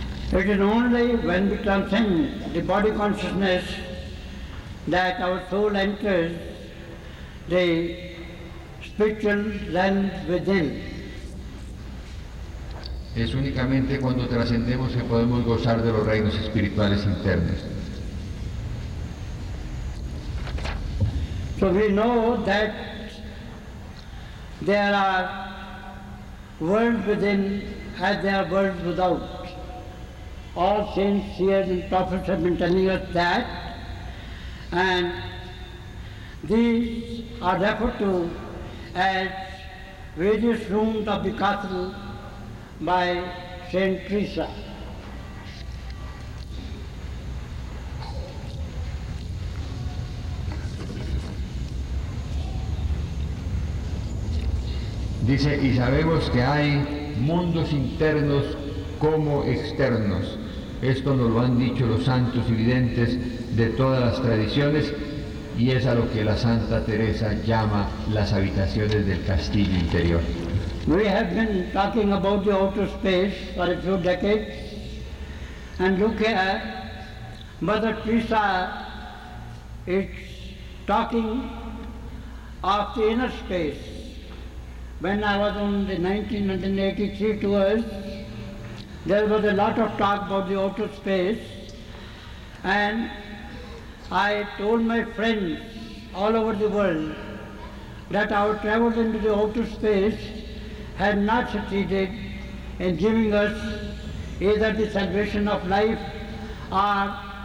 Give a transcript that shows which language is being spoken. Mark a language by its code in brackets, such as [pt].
[en] It is only when we transcend the body consciousness that our soul enters the spiritual land within. [es] Es únicamente cuando trascendemos que podemos gozar de los reinos espirituales internos. [en] So we know that there are worlds within as there are worlds without. All saints, seers and prophets have been telling us that, and these are referred to as various rooms of the castle by Saint Teresa. [es] Dice, y sabemos que hay mundos internos como externos. Esto nos lo han dicho los santos y videntes de todas las tradiciones y es a lo que la Santa Teresa llama las habitaciones del castillo interior. [en] We have been talking about the outer space for a few decades and look here, Mother Teresa is talking of the inner space. When I was on the 1983 tours, there was a lot of talk about the outer space, and I told my friends all over the world that our travels into the outer space had not succeeded in giving us either the salvation of life or